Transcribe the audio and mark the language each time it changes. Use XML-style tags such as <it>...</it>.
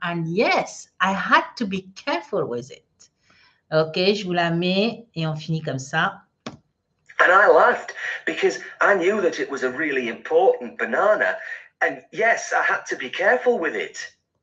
<en>And yes, I had to be careful with it.</en> <fr>OK, je vous la mets et on finit comme ça.</fr> <en>And I laughed because I knew that it was a really important banana. And yes, I had to be careful with it.</en>